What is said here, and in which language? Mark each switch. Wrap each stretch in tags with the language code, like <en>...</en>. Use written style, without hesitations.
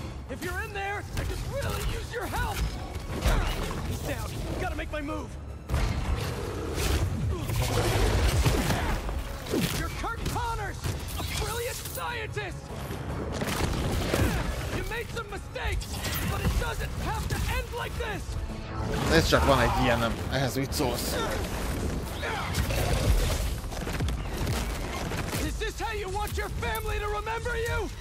<en>If you're in there, I could really use your help. He's down. Gotta make my move. You're Kurt Connors, a brilliant scientist. You made some mistakes, but it doesn't have to end like this.</en> <hu>Ez csak van egy ilyenem, ehhez mit szólsz?</hu> <en>Is this how you want your family to remember you?</en>